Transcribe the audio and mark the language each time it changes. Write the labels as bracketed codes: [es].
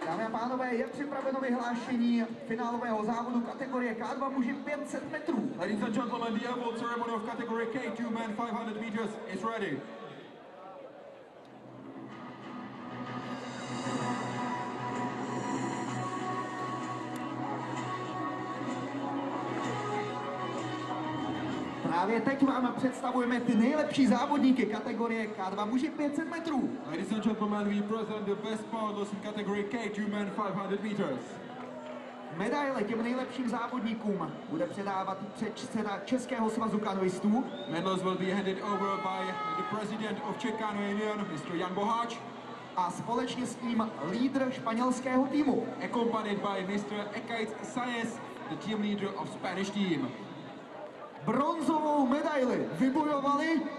[cs] pánové, je připraveno vyhlášení finálového závodu kategorie K2 muži 500 metrů. [en] Ladies and gentlemen, the award ceremony of category K2 men 500 meters is ready. [cs] Právě teď vám představujeme ty nejlepší závodníky kategorie K2 muži 500 metrů. [en] Ladies and gentlemen, we present the best powerlifters in category K2 men 500 meters. [cs] Medaile těm nejlepším závodníkům bude předávat předseda Českého svazu kanoistů. [en] Medals will be handed over by the president of Czech Canoe Union, Mr. Jan Boháč. [cs] A společně s ním lídr španělského týmu. [en] Accompanied by Mr. Ekaiz Saez, the team leader of Spanish team. [cs] Bronzovou medaili vybojovali